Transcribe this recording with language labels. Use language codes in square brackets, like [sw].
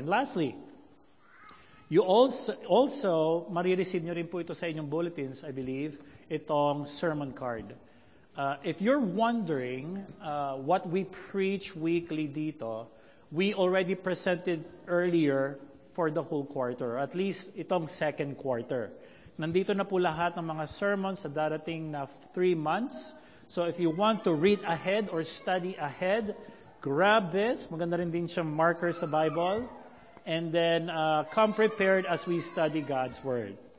[en] And lastly, you also [tl] marireceive nyo rin po ito sa inyong [en] bulletins, I believe, [tl] itong [en] sermon card. If you're wondering what we preach weekly [tl] dito, [en] we already presented earlier for the whole quarter, at least itong second quarter. [tl] Nandito na po lahat ng mga sermons sa darating na 3 months. [en] So if you want to read ahead or study ahead, grab this. [tl] Maganda rin din siyang marker sa Bible. [en] And then come prepared as we study God's Word.